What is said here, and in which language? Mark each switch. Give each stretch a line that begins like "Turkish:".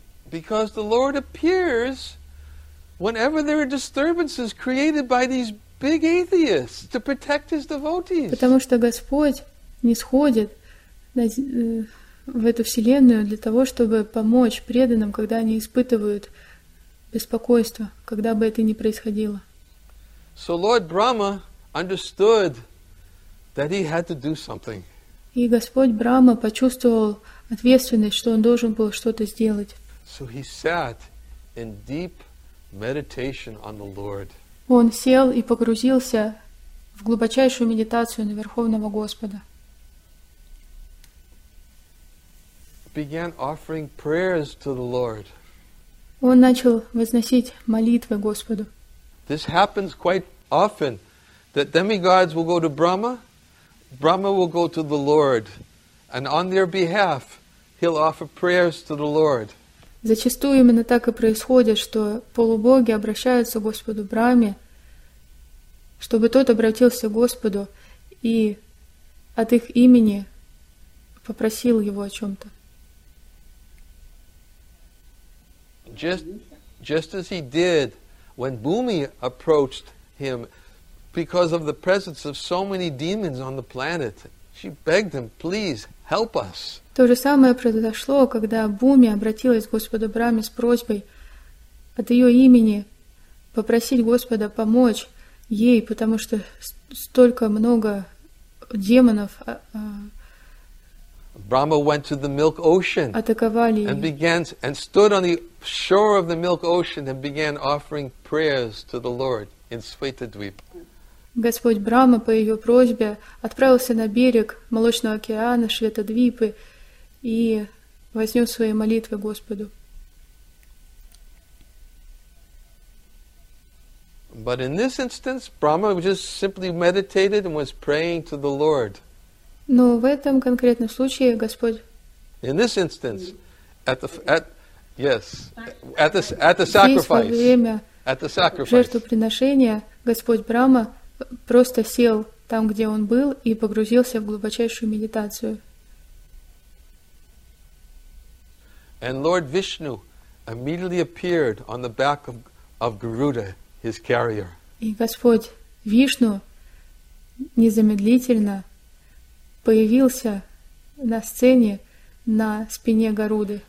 English: Because the Lord appears whenever there are disturbances created by these big atheists to protect His devotees.
Russian: Потому что Господь нисходит в эту Вселенную для того, чтобы помочь преданным, когда они испытывают беспокойство, когда бы это ни происходило.
English: So Lord Brahma understood that he had to do something.
Russian: И Господь Брама почувствовал ответственность, что он должен был что-то сделать.
English: So he sat in deep meditation on the Lord.
Russian: Он сел и погрузился в глубочайшую медитацию на Верховного Господа.
English: Began offering prayers to the Lord.
Russian: Он начал возносить молитвы Господу.
English: This happens quite often, that demigods will go to Brahma, Brahma will go to the Lord, and on their behalf, he'll offer prayers to the Lord.
Russian: Зачастую именно так и происходит, что полубоги обращаются к Господу Брахме, чтобы тот обратился к Господу и от их имени попросил его о чем-то.
English: Just as he did when Bhumi approached him because of the presence of so many demons on the planet. She begged him, please help us.
Russian: То же самое произошло, когда Бхуми обратилась к Господу Брахме с просьбой от ее имени попросить Господа помочь ей, потому что столько много демонов
English: Brahma went to the milk ocean
Russian: атаковали
English: and began and stood on the shore of the milk ocean and began offering prayers to the Lord. In
Russian: Господь Брама по ее просьбе отправился на берег Молочного океана Шветадвипы и вознес свои молитвы Господу.
English: But in this instance, Brahma just simply meditated and was praying to the Lord.
Russian: Но в этом конкретном случае Господь.
English: In this instance, at the sacrifice.
Russian: Жертвоприношение Господь Брама просто сел там, где он был, и погрузился в глубочайшую медитацию.
English: And Lord Vishnu immediately appeared on the back of Garuda, his carrier.
Russian: И Господь Вишну незамедлительно появился на сцене на спине Гаруды.